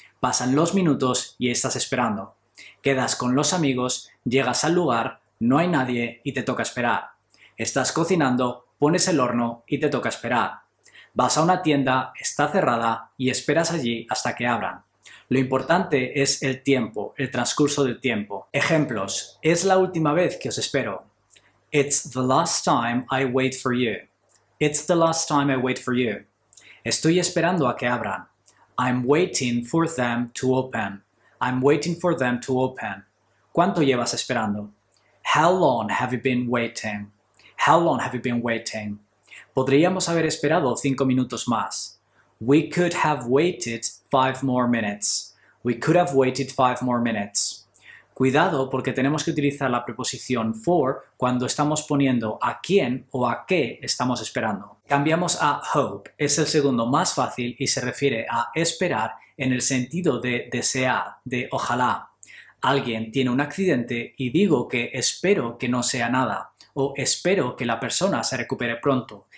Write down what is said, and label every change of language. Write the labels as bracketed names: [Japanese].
[Spanish] Pasan los minutos y estás esperando. Quedas con los amigos, llegas al lugar, no hay nadie y te toca esperar. Estás cocinando, pones el horno y te toca esperar. Vas a una tienda, está cerrada y esperas allí hasta que abran. Lo importante es el tiempo, el transcurso del tiempo. Ejemplos. Es la última vez que os espero. [English] It's the last time I wait for you. It's the last time I wait for you. [Spanish] Estoy esperando a que abran. [English] I'm waiting for them to open. I'm waiting for them to open. [Spanish] ¿Cuánto llevas esperando? [English] How long have you been waiting? How long have you been waiting? [Spanish] Podríamos haber esperado 5 minutos más. [English] We could have waited 5 more minutes. We could have waited 5 more minutes. [Spanish] Cuidado porque tenemos que utilizar la preposición for cuando estamos poniendo a quién o a qué estamos esperando. Cambiamos a hope. Es el segundo más fácil y se refiere a esperar en el sentido de desear, de ojalá. Alguien tiene un accidente y digo que espero que no sea nada o espero que la persona se recupere pronto.